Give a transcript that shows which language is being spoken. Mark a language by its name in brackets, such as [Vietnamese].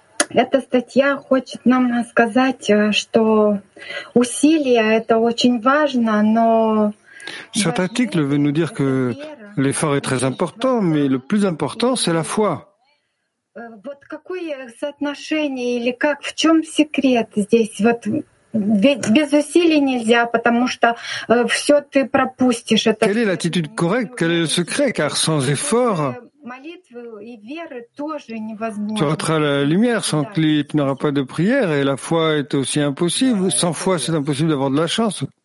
[Russian] Эта статья хочет нам сказать, что усилия — это очень важно, но... [French] Cet article veut nous dire que l'effort est très important, mais le plus important, c'est la foi. [Russian] Вот какое соотношение или как, в чем секрет здесь? Вот без усилий нельзя, потому что все ты пропустишь. Это... [French] Quelle est l'attitude correcte? Quel est le secret? Car sans effort... Tu rateras la lumière sans que tu n'auras pas de prière et la foi est aussi impossible. Sans foi, c'est impossible d'avoir de la chance.